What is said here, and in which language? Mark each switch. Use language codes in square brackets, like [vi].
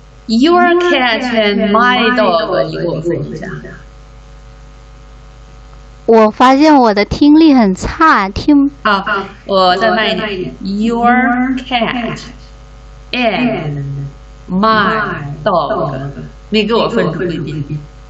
[en] Your cat and my dog， [zh] 你给我分一下。我发现我的听力很差，听。好，我再慢一点。 [en] Your cat and my dog， [zh] 你给我分出贵宾。